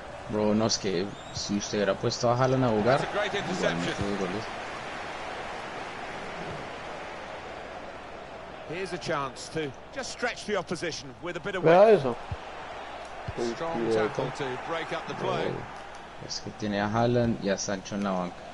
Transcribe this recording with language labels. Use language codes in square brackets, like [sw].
[es] Bro, no, es que si usted hubiera puesto a Haaland a jugar, igualmente dos goles. [en] Here's a chance to just stretch the opposition with a bit of weight. Strong tackle to break up the play. [es] Es que tiene a Haaland y a Sancho en la banca.